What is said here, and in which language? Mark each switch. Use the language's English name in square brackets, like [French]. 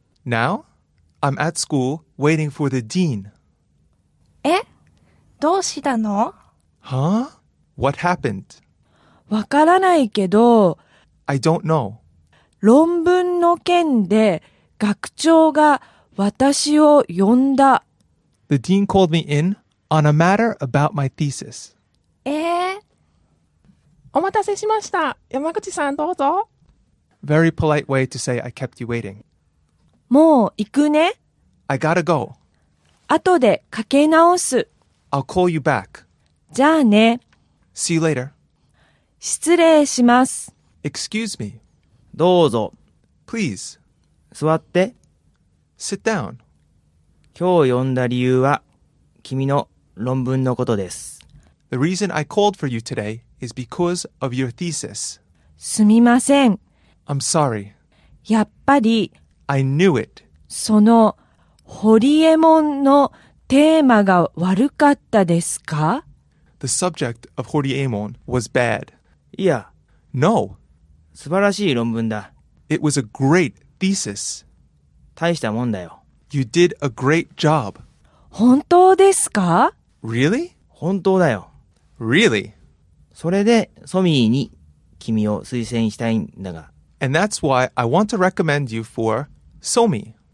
[English] Now? I'm at school waiting for the dean. [Japanese] え？どうしたの？ [English] Huh? What happened? [Japanese] わからないけど。 [English] I don't know. [Japanese] 論文の件で学長が私を呼んだ。 [English] The dean called me in on a matter about my thesis. [Japanese] お待たせしました。山口さんどうぞ。 [English] Very polite way to say I kept you waiting. [Japanese] もう行くね。 [English] I gotta go. [Japanese] 後でかけ直す。 [English] I'll call you back. [Japanese] じゃあね。 [English] See you later. [Japanese] 失礼します。 [English] Excuse me. [Japanese] どうぞ。 [English] Please. [Japanese] 座って。 [English] Sit down. [Japanese] 今日呼んだ理由は、君の論文のことです。 [English] The reason I called for you today is because of your thesis. [Japanese] すみません。 [English] I'm sorry. [Japanese] やっぱり。 [English] I knew it. [Japanese] その、ホリエモンのテーマが悪かったですか？ [English] The subject of Horiemon was bad. [Japanese] いや。 [English] No. [Japanese] 素晴らしい論文だ。 [English] It was a great thesis. [Japanese] 大したもんだよ。 [English] You did a great job. [Japanese] 本当ですか？ [English] Really? [Japanese] 本当だよ。 [English] Really? [Japanese] それでソミーに君を推薦したいんだが。 [English] And that's why I want to recommend you for Somi.